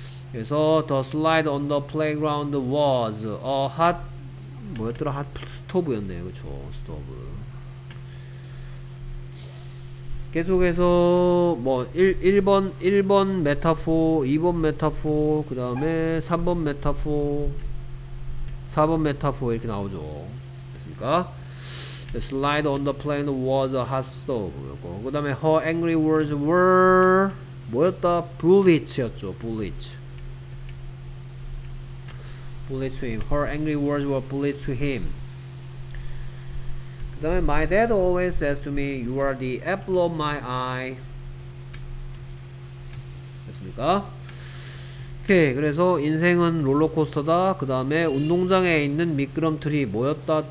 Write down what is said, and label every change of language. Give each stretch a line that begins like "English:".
English: 그래서 The slide on the playground was a hot
Korean: 뭐였더라? 핫 스토브였네요. 그쵸? 스토브. 계속해서 뭐 1번 메타포, 2번 메타포, 그 다음에 3번 메타포, 4번 메타포 이렇게 나오죠. 됐습니까?
English: The slide on the plane was a hot stove.
Korean: 그 다음에
English: her angry words were
Korean: 뭐였다?
English: bullets였죠. bullets to him. Her angry words were bullets to him.
Korean: 그 다음에
English: My dad always says to me, You are the apple of my eye.
Korean: 됐습니까? 오케이. 그래서 인생은 롤러코스터다. 그 다음에 운동장에 있는 미끄럼틀이 뭐였다?